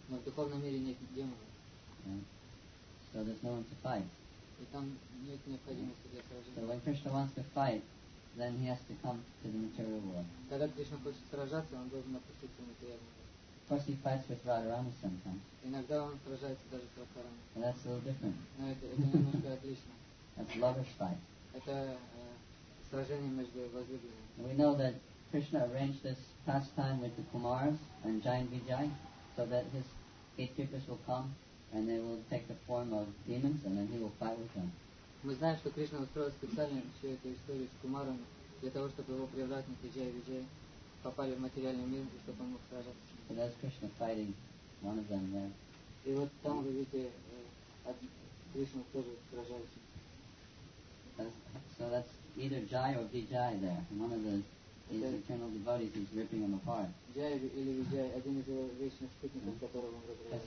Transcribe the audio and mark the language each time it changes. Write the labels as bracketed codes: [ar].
[ru] Но в духовном мире нет демонов. [en] So there's no one to fight. [ru] И там нет необходимости для сражения. [en] So when Krishna wants to fight, then he has to come to the material world. [ru] Когда Кришна хочет сражаться, он должен опуститься в материальный мир. [en] Of course, he fights with Radharani sometimes. [ru] Иногда он сражается даже с Радхарани. [en] And that's a little different. [ru] Но это немножко отлично. [en] That's a lover's fight. [ru] Это сражение между возлюбленными. [en] We know that Krishna arranged this pastime with the Kumaras and Jain Vijay, so that his gatekeepers will come and they will take the form of demons and then he will fight with them. [ru] Мы знаем, что Кришна устроил специально всю эту историю с Кумарами для того, чтобы его привратники Джай Виджай попали в материальный мир и чтобы он мог сражаться. [en] So that's Krishna fighting one of them there. [ru] И вот там вы видите, Кришна тоже сражается. [en] So that's either Jai or Vijay there. One of his eternal devotees is ripping him apart. [ru] Jai или Vijay, один из его вечных спутников, которого он разрывает.